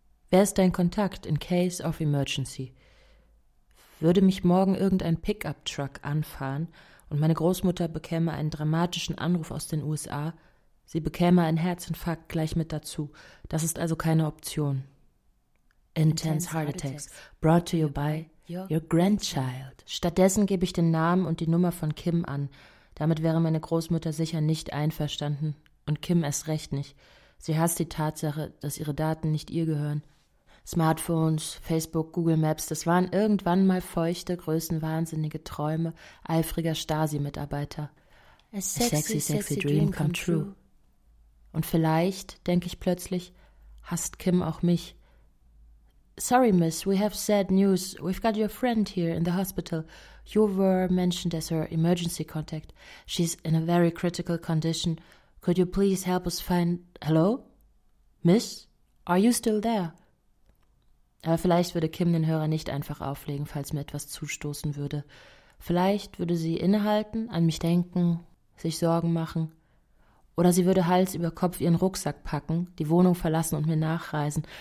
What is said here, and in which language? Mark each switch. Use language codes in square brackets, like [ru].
[de] Wer ist dein Kontakt [en] in case of emergency? [de] Würde mich morgen irgendein Pickup-Truck anfahren und meine Großmutter bekäme einen dramatischen Anruf aus den USA, sie bekäme einen Herzinfarkt gleich mit dazu. Das ist also keine Option. [en] Intense Heart Attacks, brought to you by your grandchild. [de] Stattdessen gebe ich den Namen und die Nummer von Kim an. Damit wäre meine Großmutter sicher nicht einverstanden und Kim erst recht nicht. Sie hasst die Tatsache, dass ihre Daten nicht ihr gehören. Smartphones, Facebook, Google Maps, das waren irgendwann mal feuchte, größenwahnsinnige Träume eifriger Stasi-Mitarbeiter. [en] A sexy dream come true. [de] Und vielleicht, denke ich plötzlich, hasst Kim auch mich. [en] Sorry, miss, we have sad news. We've got your friend here in the hospital. You were mentioned as her emergency contact. She's in a very critical condition. Could you please help us find... Hello? Miss? Are you still there? [de] Aber vielleicht würde Kim den Hörer nicht einfach auflegen, falls mir etwas zustoßen würde. Vielleicht würde sie innehalten, an mich denken, sich Sorgen machen. Oder sie würde Hals über Kopf ihren Rucksack packen, die Wohnung verlassen und mir nachreisen.